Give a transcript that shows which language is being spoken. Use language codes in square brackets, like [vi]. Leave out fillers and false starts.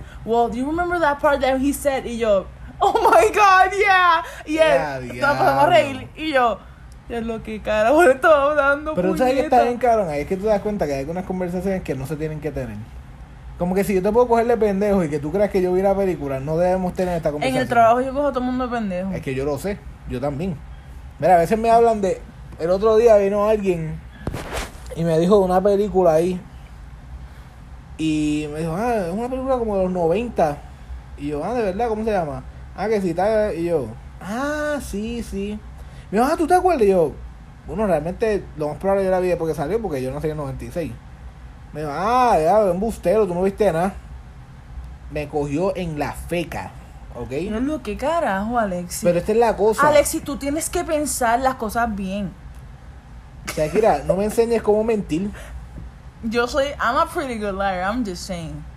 [en] Well, do you remember that part that he said? [es] Y yo, [en] oh my God, yeah. [es] Y él, estamos a reír. Y yo, ya lo que carajo le estaba hablando. Pero puñeta. Tú sabes que está bien, cabrón. Ahí es que tú te das cuenta que hay algunas conversaciones que no se tienen que tener. Como que si yo te puedo coger de pendejo y que tú creas que yo vi la película, no debemos tener esta conversación. En el trabajo yo cojo a todo el mundo de pendejo. Es que yo lo sé, yo también. Mira, a veces me hablan de... El otro día vino alguien y me dijo de una película ahí. Y me dijo, ah, es una película como de los 90. Y yo, ah, de verdad, ¿cómo se llama? Ah, que sí, tal, y yo, ah, sí, sí. Me dijo, ah, ¿tú te acuerdas? Y yo, bueno, realmente lo más probable yo la vi porque salió, porque yo nací en el 96. Me dijo, ah, ya, un bustero, tú no viste nada. Me cogió en la feca, ¿ok? No, no, qué carajo, Alexis. Pero esta es la cosa. Alexis, tú tienes que pensar las cosas bien. Shakira, no me enseñes cómo mentir. Yo soy, [en] I'm a pretty good liar, I'm just saying.